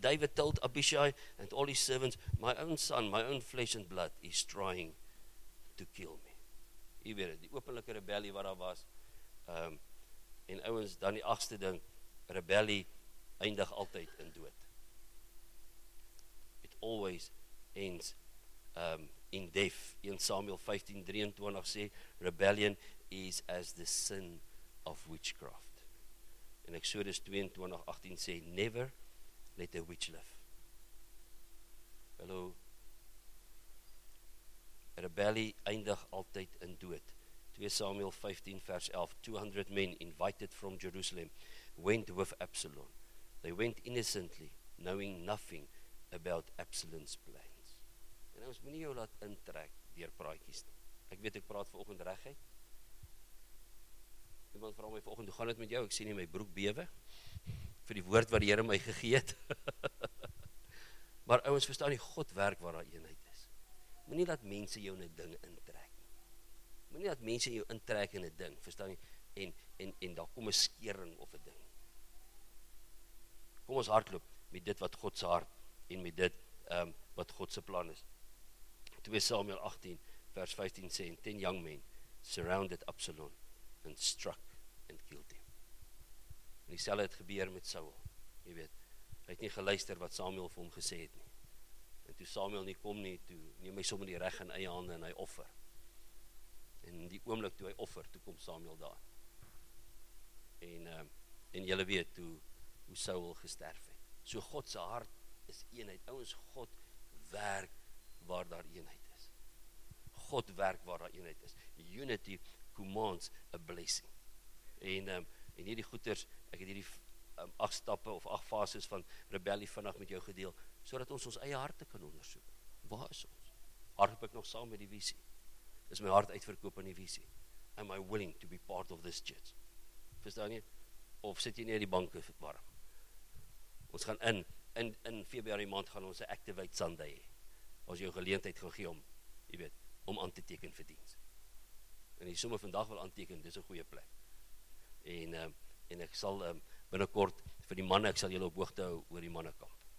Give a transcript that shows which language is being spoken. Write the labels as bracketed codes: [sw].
[en] David told Abishai and all his servants, my own son, my own flesh and blood is trying to kill me. [af] Jy weet het, die openlike rebellie wat daar was. En ouwens, dan die agste ding, rebellie eindig altyd in dood. [en] It always ends in death. 1 Samuel 15:23 [af] sê, [en] rebellion is as the sin of witchcraft. [af] En [en] Exodus 22:18 [af] sê, [en] never let a witch live. [af] Hello? Rebellie eindig altyd in dood. [en] 2 Samuel 15 verse 11, 200 men invited from Jerusalem went with Absalom. They went innocently, knowing nothing about Absalom's plans. [af] En ons moet nie jou laat intrek deur praatjies nie. Ek weet ek praat vanoggend reguit. Iemand vra my vanoggend, hoe gaan dit met jou? Ek sê nie, my broek bewe vir die woord wat die Here my gegee het. Maar ouens, verstaan jy, God werk waar daar eenheid is. Moenie laat mense jou in 'n ding intrek nie. Moenie laat mense jou intrek in 'n ding, verstaan jy? En daar kom 'n skering of 'n ding. Kom ons hardloop met dit wat God se hart en met dit wat God se plan is. [en] 2 Samuel 18 [af] vers [en] 15 [af] sê, [en] and 10 young men surrounded Absalom and struck and killed him. [af] En dieselfde het gebeur met Saul. Jy weet, hy het nie geluister wat Samuel vir hom gesê het nie. En toe Samuel nie kom nie, toe neem hy sommer die reg in eie hande en hy offer. En die oomblik toe hy offer, toe kom Samuel daar. En jy weet hoe Saul gesterf het. So God se hart is eenheid. Ouens, God werk waar daar eenheid is. God werk waar daar eenheid is. [en] Unity commands a blessing. [af] En hierdie goeters, ek het hierdie 8 stappe of 8 fases van rebellie vannacht met jou gedeel, sodat ons eie harte kan ondersoek. Waar is ons? Hardop ek nog saam met die visie? Is my hart uitverkoop aan die visie? [en] Am I willing to be part of this church? [af] Verstaan jy? Of sit jy nie in die banke warm? Ons gaan in februari maand gaan ons 'n Activate Sunday hê. Ons jou geleentheid gaan gee om, jy weet, om aan te teken vir diens. En jy sommer vandag wil aanteken, dis 'n goeie plek. En ek sal binnenkort vir die manne, ek sal julle op hoogte hou oor die mannekamp.